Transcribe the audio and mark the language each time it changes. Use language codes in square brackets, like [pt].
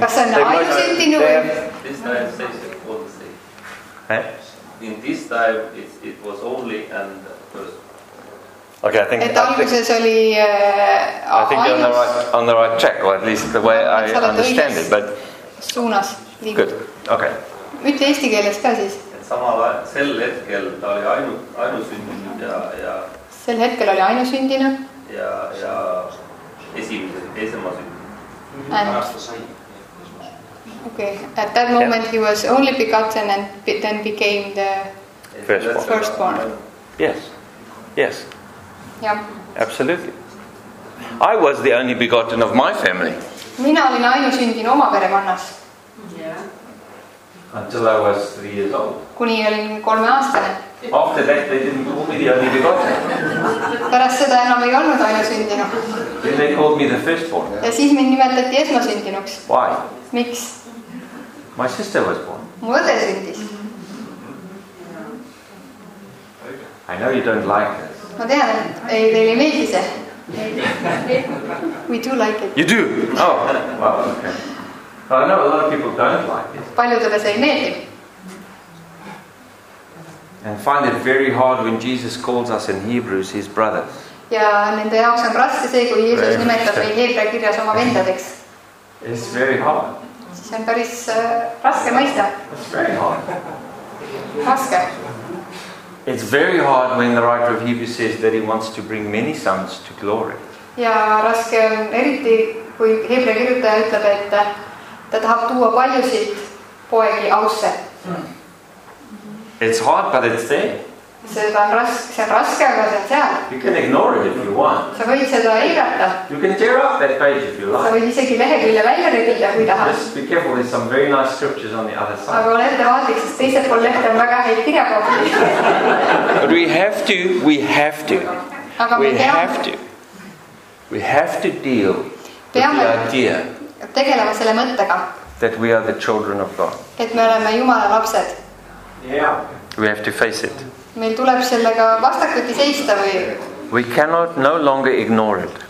[et] Kas on ainusündinu või... [en] This time it says it's called the same. In this time it was only and firstborn. Okay, I think... [et] Et alguses oli... [en] I think you're on the right track, or at least the way I understand it, but... [et] Suunas. [en] Good. Okay. [et] Mitte eesti keeles ka siis. Samal sel hetkel ta oli ainusündinu ja... Sel hetkel oli ainusündine. Ja esimese sai. [en] Okay, at that moment he was only begotten and then became the firstborn. Yes. Yes. Yeah. Absolutely. I was the only begotten of my family. [et] Mina olin ainusündine oma perekonnas. [en] Yeah. Until I was 3 years old. [et] Kuni olin 3-aastane. [en] After that they didn't call me the only begotten. [et] Pärast seda enam ei olnud ainusündinu. [en] Then they called me the firstborn. [et] Ja siis mind nimetati esmasündinuks. [en] Why? [et] Miks? [en] My sister was born. [et] Mu õde sündis. [en] I know you don't like this. [et] Ma tean, ei teile meeldi see. [en] We do like it. You do? Oh, well, okay. I know a lot of people don't like it. [et] Paljudele see ei meeldi. [en] And find it very hard when Jesus calls us in Hebrews his brothers. [et] Ja nende jaoks on raske see, kui Jeesus nimetab meid Heebrea kirjas oma vendadeks. [en] It's very hard. [et] See on päris raske mõista. [en] It's very hard. [et] Raske. [en] It's very hard when the writer of Hebrews says that he wants to bring many sons to glory. [et] Ja raske on eriti, kui Heebrea kirjutaja ütleb, et ta tahab tuua paljusid poegi ausse. [en] It's hard, but it's there. [et] See on raske, aga see on seal. [en] You can ignore it if you want. [et] Sa võid seda eirata. [en] You can tear off that page if you like. [et] Sa võid isegi leheküljele välja rebida, kui tahad. [en] Just be careful, there's some very nice scriptures on the other side. [et] Aga ole ettevaatlik, sest teised pool lehte on väga heid kirjakohti. [en] But we have to. [et] Aga me peame. [en] We have to deal with the idea. [et] Tegelema selle mõttega. [en] That we are the children of God. [et] Et me oleme Jumala lapsed. [en] Yeah. We have to face it. [et] Meil tuleb sellega vastakuti seista või... [en] We cannot no longer ignore it.